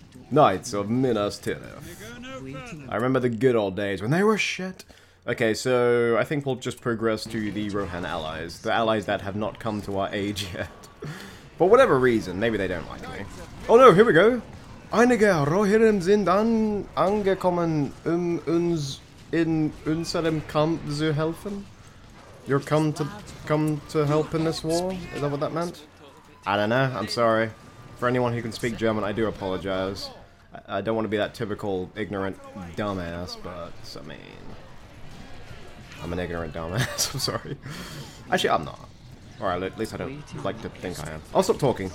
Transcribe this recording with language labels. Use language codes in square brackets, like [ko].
[en] Knights of Minas Tirith. I remember the good old days when they were shit. Okay, so I think we'll just progress to the Rohan allies. The allies that have not come to our aid yet. For whatever reason, maybe they don't like me. Oh no, here we go! [de] Einige Rohirrim sind angekommen, uns in unserem Kampf zu helfen? [en] You're come to help in this war? Is that what that meant? I don't know, I'm sorry. For anyone who can speak German, I do apologize. I don't want to be that typical ignorant dumbass, but I mean... I'm an ignorant dumbass, I'm sorry. Actually, I'm not. Alright, at least I don't like to think I am. I'll stop talking.